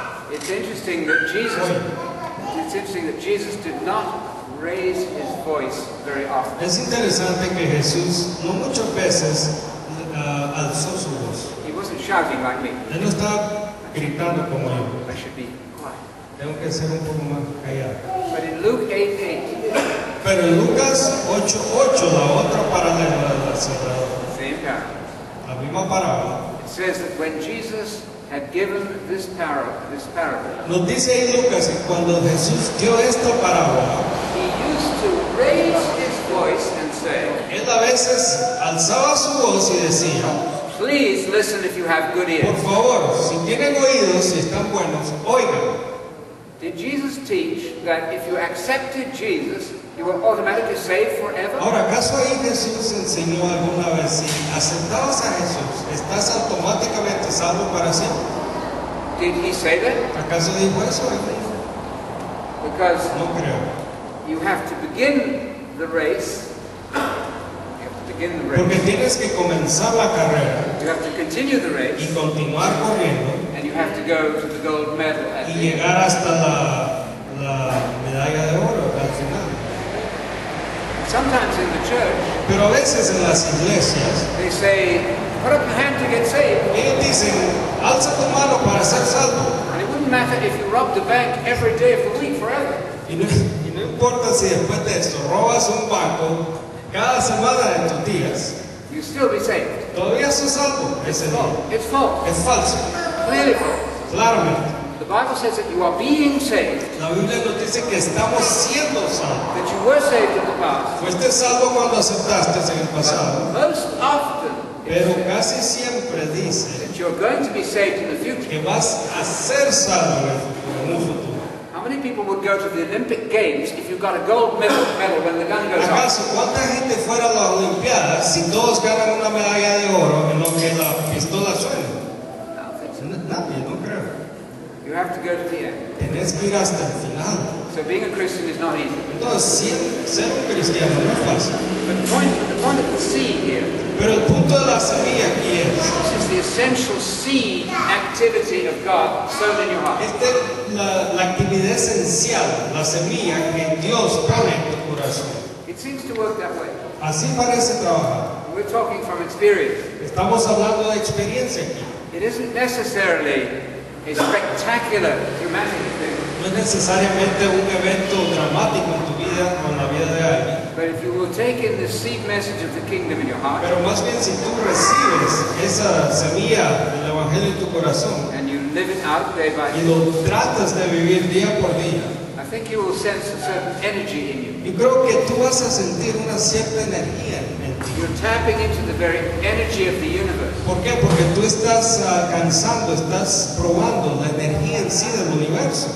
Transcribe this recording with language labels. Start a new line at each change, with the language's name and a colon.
English: It's interesting that Jesus did not raise his voice very often.
Spanish: Es interesante que Jesús no muchas veces alzó su voz.
English: He wasn't shouting like me.
Spanish: Él no estaba gritando como yo.
English: I should be quiet.
Spanish: Tengo que ser un poco más callado.
English: But in Luke 8:8.
Spanish: Pero en Lucas 8:8, la otra paralela de la sembrada.
English: Same parable.
Spanish: La misma parábola.
English: It says that when Jesus had given this parable.
Spanish: Nos dice ahí Lucas que cuando Jesús dio esta parábola,
English: he used to raise his voice and say,
Spanish: él a veces alzaba su voz y decía,
English: please listen if you have good ears.
Spanish: Por favor, si tienen oídos, si están buenos, oigan.
English: Did Jesus teach that if you accepted Jesus, You were automatically saved forever?
Spanish: Ahora, ¿acaso ahí Jesús enseñó alguna vez, si aceptabas a Jesús, estás automáticamente salvo para siempre?
English: Did he say that?
Spanish: ¿Acaso dijo eso?
English: Because
Spanish: no creo.
English: You have to begin the race.
Spanish: Porque tienes que comenzar la carrera.
English: You have to continue the race,
Spanish: y continuar corriendo.
English: And you have to go to the gold medal at
Spanish: y llegar
English: the...
Spanish: hasta la medalla de oro al final.
English: Sometimes in the church,
Spanish: pero a veces en las iglesias,
English: they say, put up your hand to get saved.
Spanish: Y dicen, alza tu mano para ser salvo.
English: And it wouldn't matter if you robbed the bank every day of the week forever.
Spanish: Y no importa si después de esto robas un banco cada semana de tus días.
English: You still be saved.
Spanish: Todavía sos salvo.
English: It's false. It's false.
Spanish: Es falso.
English: Clearly false.
Spanish: Claramente.
English: The Bible says that you are being saved.
Spanish: La Biblia nos dice que estamos siendo salvos.
English: That you were saved in the past.
Spanish: Fuiste salvo cuando aceptaste en el pasado.
English: But most often,
Spanish: pero casi siempre dice
English: that you are going to be saved in the future.
Spanish: Que vas a ser salvo en el futuro.
English: How many people would go to the Olympic Games if you got a gold medal when the gun goes off?
Spanish: ¿Acaso cuánta gente fuera a las Olimpiadas si todos ganan una medalla de oro en lo que la pistola suena? Nadie, no creo.
English: You have to go to the end.
Spanish: Tienes que ir hasta el final.
English: So being a Christian is not easy.
Spanish: Entonces, ser un cristiano no es fácil.
English: But the point of the seed here.
Spanish: Pero el punto de la semilla aquí es.
English: This is the essential seed activity of God sown in your heart.
Spanish: Esta es la actividad esencial, la semilla que Dios pone en tu corazón.
English: It seems to work that way.
Spanish: Así parece trabajar.
English: We're talking from experience.
Spanish: Estamos hablando de experiencia aquí.
English: It isn't necessarily a spectacular, dramatic thing.
Spanish: No es necesariamente un evento dramático en tu vida o en la vida de alguien.
English: But if you will take in the seed message of the kingdom in your heart,
Spanish: pero más bien si tú recibes esa semilla del evangelio en tu corazón,
English: and you live it out day by day,
Spanish: y lo tratas de vivir día por día,
English: I think you will sense a certain energy in you.
Spanish: Y creo que tú vas a sentir una cierta energía en ti.
English: You're tapping into the very energy of the universe.
Spanish: ¿Por qué? Porque tú estás alcanzando, estás probando la energía en sí del universo.